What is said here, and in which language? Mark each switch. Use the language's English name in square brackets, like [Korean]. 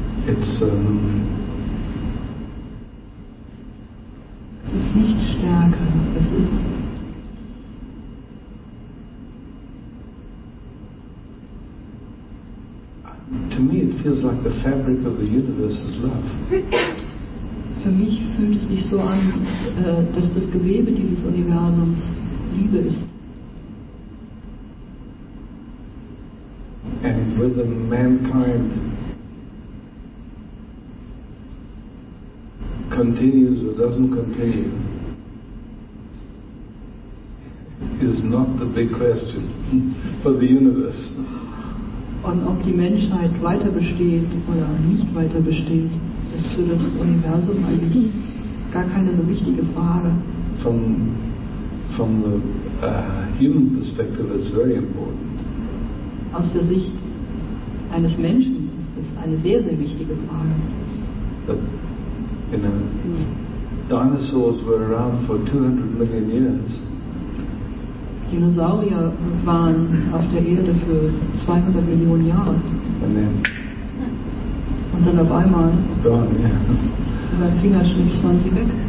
[German] Es ist nicht stärker. Es ist. [English] To me, it feels like the fabric of the universe is love. [German] Für mich fühlt es sich so an, dass das Gewebe dieses Universums Liebe ist. [English] And whether mankind continues or doesn't continue is not the big question for the universe. [German] Und ob die Menschheit weiter besteht oder nicht weiter besteht, ist für das Universum eigentlich gar keine so wichtige Frage. [English] From the human perspective, it's very important. [German] Aus der Sicht eines Menschen ist das eine sehr, sehr wichtige Frage. [English] But, you know, dinosaurs were around for 200 million years. [German] Dinosaurier waren auf der Erde für 200 Millionen Jahre. Und dann auf einmal, mit einem Fingerschnips waren sie weg.